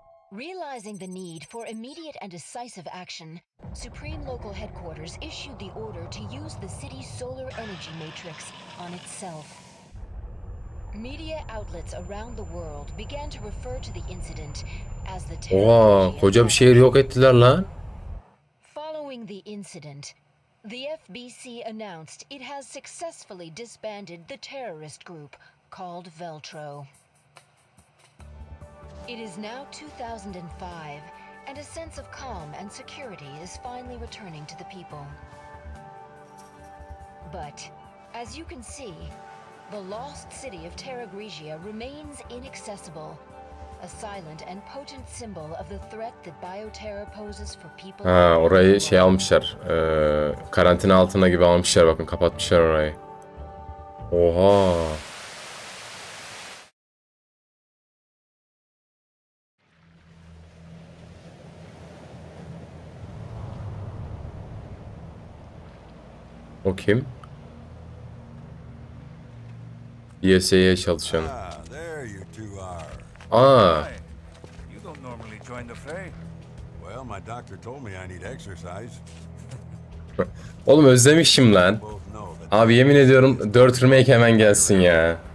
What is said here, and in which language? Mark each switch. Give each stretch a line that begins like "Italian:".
English: Realizing the need for immediate and decisive action, Supreme Local Headquarters issued the order to use the city's solar energy matrix on itself. Media outlets around the world began to refer to the incident as the terror.
Turkish: Oha, koca bir şehir yok ettiler lan.
English: Following the incident, the FBC announced it has successfully disbanded the terrorist group called Veltro. It is now 2005, and a sense of calm and security is finally returning to the people. But, as you can see, the lost city of Terra Grigia remains inaccessible. A silent and potent symbol of the threat that bioterror poses for people.
Turkish: Ha, orayı şey almışlar. Karantina altına gibi almışlar bakın, kapatmışlar orayı. Oha. O kim? BSA'ya çalışan. Ah.
English: You don't normally join the fray. Well, my doctor told me I need exercise.
Turkish: Oğlum özlemişim lan. Abi yemin ediyorum 4 remake hemen gelsin ya.